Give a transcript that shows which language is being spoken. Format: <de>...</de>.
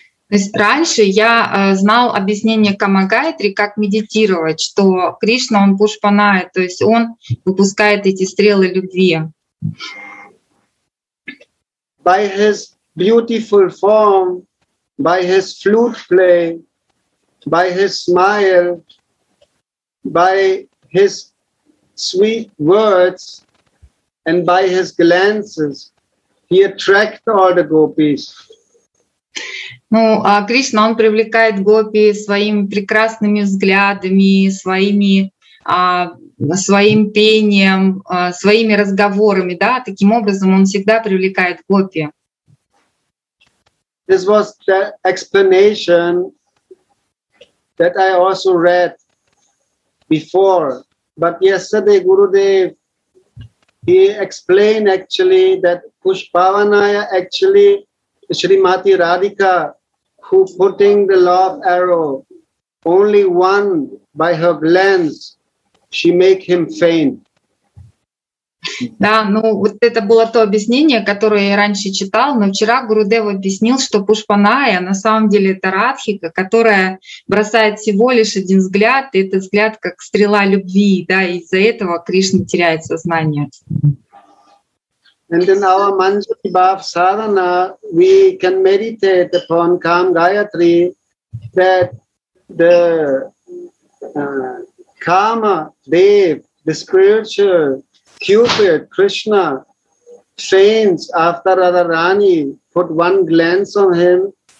<ru>То есть раньше я знал объяснение Камагайтри, как медитировать, что Кришна, он Пушпанайя, то есть он выпускает эти стрелы любви.</ru> <en>By his beautiful form, by his flute play, by his smile, by his sweet words, and by his glances, he attracts all the gopis.</en> <ru>Кришна, он привлекает гопи своими прекрасными взглядами, своим пением, своими разговорами, да, таким образом он всегда привлекает гопи.</ru> <en>This was the explanation that I also read before, but yesterday Gurudev, he explained actually that Pushpavanaya actually Shrimati Radhika, who putting the love arrow, only one by her glance, she make him faint.</en> <ru>Да, вот это было то объяснение, которое я раньше читал, но вчера Гурудев объяснил, что Пушпанайя на самом деле это Радхика, которая бросает всего лишь один взгляд, и этот взгляд как стрела любви, да, и из-за этого Кришна теряет сознание.</ru> <en>And in our Manjari Bhav Sadhana, we can meditate upon Kam Gayatri that the Kama, Dev, the spiritual Cupid, Krishna, faints after Radharani put one glance on him.</en>